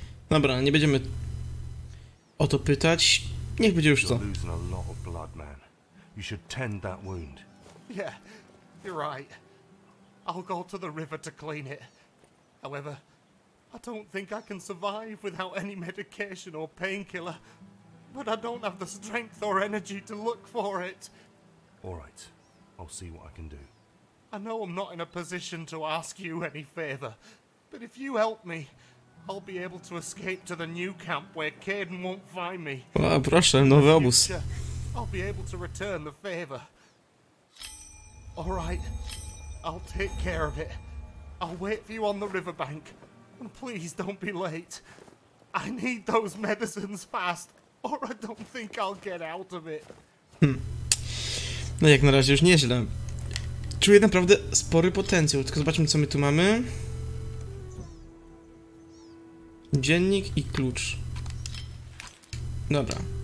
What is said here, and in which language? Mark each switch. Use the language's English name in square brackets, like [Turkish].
[Polish] Dobra, nie będziemy o to pytać. Niech będzie już to. [English] You're losing a lot of blood, man. You should tend that wound. Yeah. You're right. I'll go to the river to clean it. However, I don't think I can survive without any medication or painkiller. But I don't have the strength or energy to look for it. All right. I'll see what I can do. I know I'm not in a position to ask you any favor, but if you help me, I'll be able to escape to the new camp where Caden won't find me. Well, [Polish] proszę, nowy obóz. [English] I'll be able to return the favor. All right, I'll take care of it. I'll wait for you on the riverbank. And please don't be late. I need those medicines fast, or I don't think I'll get out of it. [Polish] No jak na razie już nieźle. Czuję naprawdę spory potencjał, tylko zobaczmy co my tu mamy. Dziennik i klucz. Dobra.